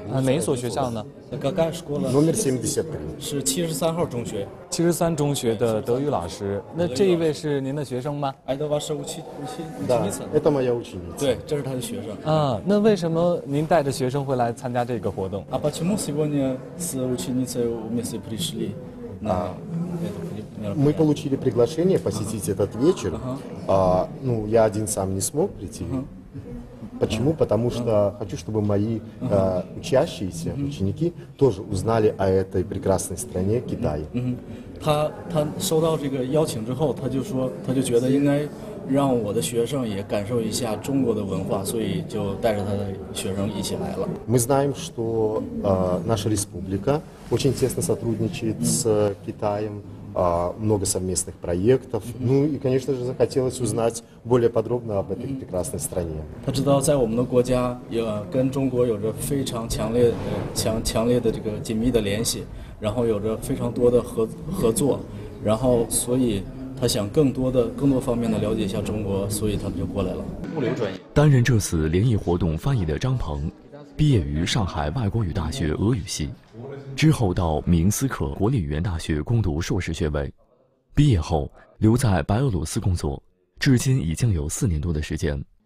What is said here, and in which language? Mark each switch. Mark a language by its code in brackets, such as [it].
[zh] 啊，哪一所学校呢？刚刚说了。 [ru] номер 73。 [zh] 是73号中学。 73中学的德语老师。那这一位是您的学生吗？哎，德瓦是 [ru] ученица。 Да, это моя ученица。 [zh] 对，这是他的学生。啊，那为什么您带着学生会来参加这个活动？ [ru] 啊，почему сегодня с ученицей у меня все пришли？ А, мы получили приглашение посетить этот вечер. А, ну, я один сам не смог прийти. Почему? Потому что хочу, чтобы мои учащиеся, ученики, тоже узнали о этой прекрасной стране, Китае. [zh] 他收到这个邀请之后，他就觉得应该让我的学生也感受一下中国的文化，所以就带着他的学生一起来了。 [ru] Мы знаем, что наша республика очень тесно сотрудничает с Китаем, много совместных проектов. Ну и, конечно же, захотелось узнать более подробно об этой прекрасной стране. [zh] 他知道在我们的国家也跟中国有着非常强烈的这个紧密的联系，然后有着非常多的合作，然后所以他想更多方面的了解一下中国，所以他们就过来了。物流专业担任这次联谊活动翻译的张鹏，毕业于上海外国语大学俄语系，之后到明斯克国立语言大学攻读硕士学位，毕业后留在白俄罗斯工作，至今已经有4年多的时间。